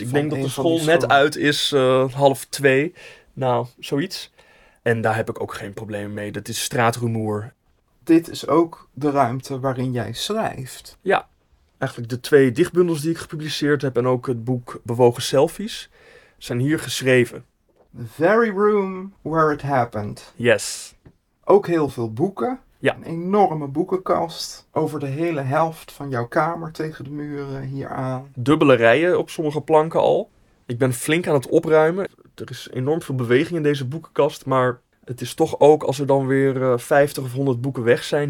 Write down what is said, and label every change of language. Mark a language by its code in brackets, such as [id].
[nl] Ik denk dat de school net uit is, 1:30. Nou, zoiets. En daar heb ik ook geen probleem mee. Dat is straatrumoer. Dit is ook de ruimte waarin jij schrijft. Ja, eigenlijk de 2 dichtbundels die ik gepubliceerd heb en ook het boek Bewogen Selfies zijn hier geschreven. [en] The very room where it happened. Yes. [nl] Ook heel veel boeken. Ja. Een enorme boekenkast over de hele helft van jouw kamer tegen de muren hier aan. Dubbele rijen op sommige planken al. Ik ben flink aan het opruimen. Er is enorm veel beweging in deze boekenkast. Maar het is toch ook als er dan weer 50 of 100 boeken weg zijn.